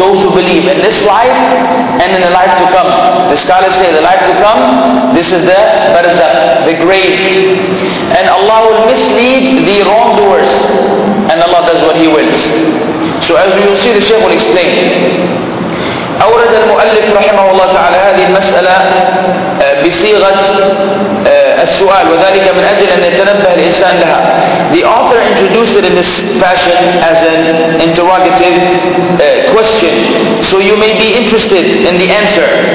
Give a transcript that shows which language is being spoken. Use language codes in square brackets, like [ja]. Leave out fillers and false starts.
[en] believe in this life and in the life to come. The scholars say the life to come, this is the barzakh, the grave. And Allah will mislead the wrongdoers, and Allah does what He wills. So as you will see, the Shaykh will explain. [ar] أورد المؤلف رحمه الله تعالى هذه المسألة بصيغة السؤال وذلك من أجل أن يتنبه الإنسان لها. [en] The author introduced it in this fashion as an interrogative question, so you may be interested in the answer.